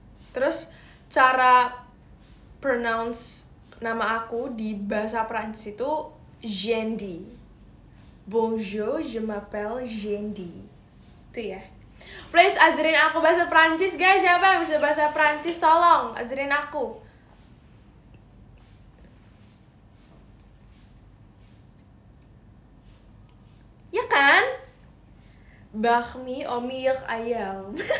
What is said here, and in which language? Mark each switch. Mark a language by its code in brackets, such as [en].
[id] Terus cara pronounce nama aku di bahasa Prancis itu Jendi. [fr] Bonjour, je m'appelle Jendi. [id] Itu ya. Please ajarin aku bahasa Prancis, guys. Siapa yang bisa bahasa Prancis, tolong ajarin aku. Ya kan? Bakmi or mie ayam.